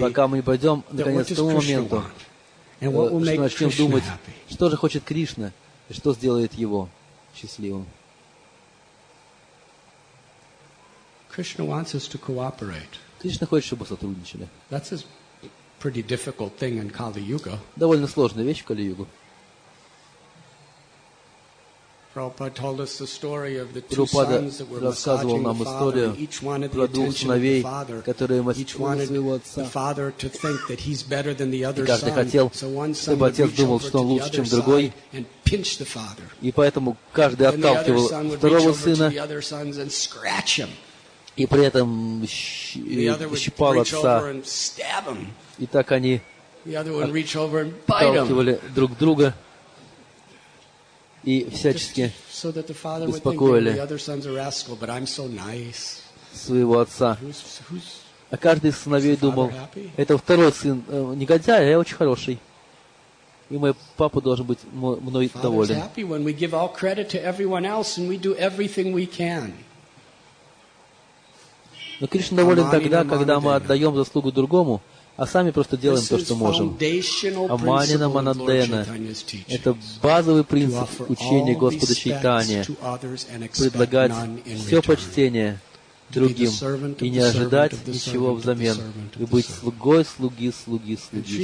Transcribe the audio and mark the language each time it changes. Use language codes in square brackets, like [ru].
[ru] Пока мы не пойдем, наконец, к тому моменту, что начнем думать, что же хочет Кришна, и что сделает его счастливым. [en] Krishna wants us to cooperate. [ru] Кришна хочет, чтобы мы сотрудничали. [en] That's his pretty difficult thing in Kali Yuga. [ru] Довольно сложная вещь в Кали Югу. [en] Prabhupada told us the story of the two sons that were massaging the father. Each wanted the attention of the father. Each wanted the father to think that he's better than the other son. So one son would reach over to the other side and pinch the father. And then the other son would reach over to the other sons and scratch him. [ru] И при этом щипал отца. И так они отталкивали друг друга и всячески беспокоили своего отца. А каждый из сыновей думал, это второй сын негодяй, а я очень хороший. И мой папа должен быть мной доволен. [en] Father's happy when we give all credit to everyone else and we do everything we can. [ru] Но Кришна доволен тогда, когда мы отдаем заслугу другому, а сами просто делаем то, что можем. Аманина Манадена – это базовый принцип учения Господа Чайтани – предлагать все почтение другим и не ожидать ничего взамен, и быть слугой, слуги, слуги, слуги.